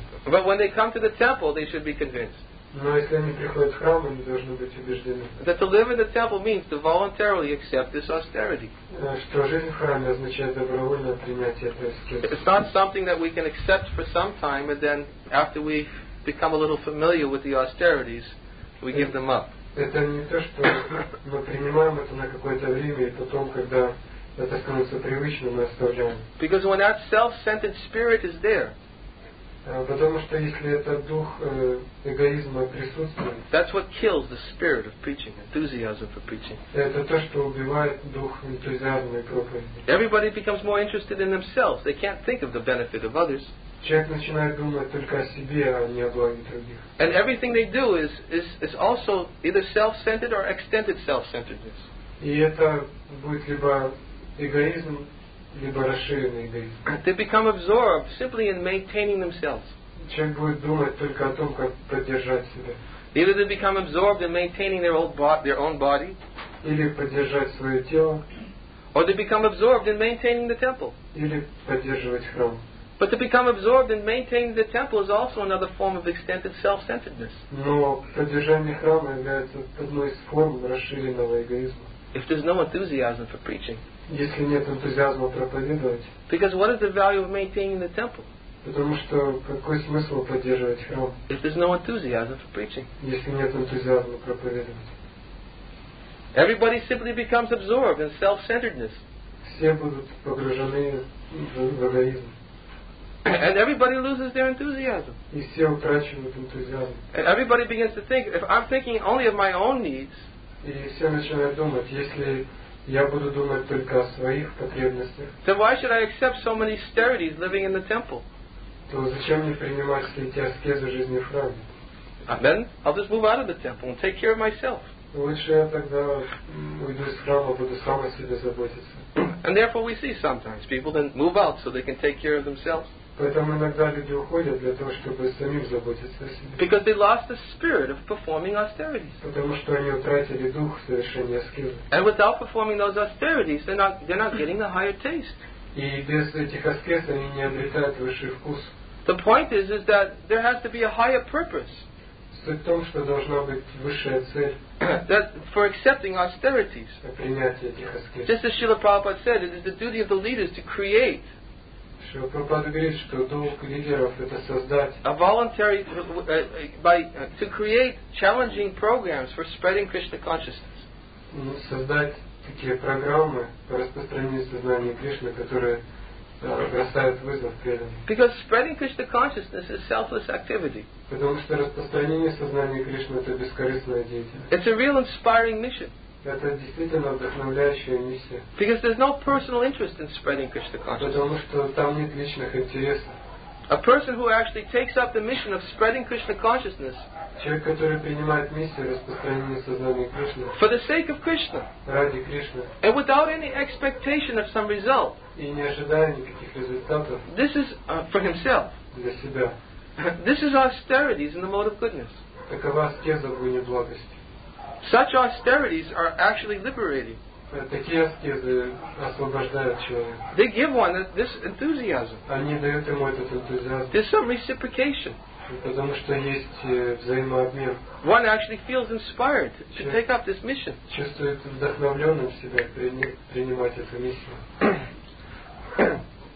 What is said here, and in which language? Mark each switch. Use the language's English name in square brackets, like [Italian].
[English] But when they come to the temple, they should be convinced. That to live in the temple means to voluntarily accept this austerity. It's not something that we can accept for some time, and then after we become a little familiar with the austerities, we give them up. [Russian] Это не то, что мы принимаем это на какое-то время, и потом, когда это становится привычным, мы оставляем. [English] Because when that self-centered spirit is there, [Russian] потому что если этот дух эгоизма присутствует, [English] that's what kills the spirit of preaching, enthusiasm for preaching. [Russian] Это то, что убивает дух энтузиазма и проповеди. [English] Everybody becomes more interested in themselves. They can't think of the benefit of others. [Russian] Человек начинает думать только о себе, а не о благе других. [English] And everything they do is also either self-centered or extended self-centeredness. [Russian] И это будет либо эгоизм, либо расширенный эгоизм. [English] They become absorbed simply in maintaining themselves. [Russian] Человек будет думать только о том, как поддержать себя. [English] Either they become absorbed in maintaining their own body. [Russian] Или поддержать свое тело. [English] Or they become absorbed in maintaining the temple. [Russian] Или поддерживать храм. [English] But to become absorbed in maintaining the temple is also another form of extended self-centeredness. [Russian] Но поддержание храма является одной из форм расширенного эгоизма. [English] If there's no enthusiasm for preaching. [Russian] Если нет энтузиазма проповедовать. [English] Because what is the value of maintaining the temple? [Russian] Потому что какой смысл поддерживать храм? [English] If there's no enthusiasm for preaching. [Russian] Если нет энтузиазма проповедовать. [English] Everybody simply becomes absorbed in self-centeredness. [Russian] Все будут погружены в эгоизм. [English] And everybody loses their enthusiasm. [Russian] И все утрачивают энтузиазм. [English] And everybody begins to think, if I'm thinking only of my own needs. [Russian] И все начинают думать, если я буду думать только о своих потребностях. [English] Then why should I accept so many austerities living in the temple? [Russian] То зачем мне принимать все эти аскезы жизни в храме? [English] Then I'll just move out of the temple and take care of myself. [Russian] Лучше я тогда уйду из храма, буду сам о себе заботиться. [English] And therefore we see sometimes people then move out so they can take care of themselves. [Russian] Поэтому иногда люди уходят для того, чтобы самим заботиться о себе. [English] Because they lost the spirit of performing austerities. [Russian] Потому что они утратили дух совершения аскезы. [English] And without performing those austerities, they're not getting the higher taste. [Russian] И без этих аскез они не обретают высший вкус. [English] The point is that there has to be a higher purpose. [Russian] Суть в том, что должна быть высшая цель. [English] That for accepting austerities. Just as Srila Prabhupada said, it is the duty of the leaders to create. [Russian] Srila Prabhupada говорит, что долг лидеров это создать. [English] A voluntary to create challenging programs for spreading Krishna consciousness. [Russian] Создать такие программы по распространению сознания Кришны, которые бросают вызов преданным. [English] Because spreading Krishna consciousness is selfless activity. [Russian] Потому что распространение сознания Кришны это бескорыстная деятельность. [English] It's a real inspiring mission. [Russian] Это действительно вдохновляющая миссия. [English] Because there's no personal interest in spreading Krishna consciousness. [Russian] Потому что там нет личных интересов. [English] A person who actually takes up the mission of spreading Krishna consciousness. [Russian] Человек, который принимает миссию распространения сознания Кришны. [English] For the sake of Krishna. [Russian] Ради Кришны. [English] And without any expectation of some result. [Russian] И не ожидая никаких результатов. [English] This is for himself. [Russian] Для себя. [English] This is austerities in the mode of goodness. [Russian] Такова аскеза в гуне благости. [English] Such austerities are actually liberating. [Russian] Такие аскезы освобождают человека. [English] They give one this enthusiasm. [Russian] Они дают ему этот энтузиазм. [English] There's some reciprocation. [Russian] Потому что есть взаимообмен. [English] One actually feels inspired to take up this mission. [Russian] Чувствует вдохновленным себя принимать эту миссию.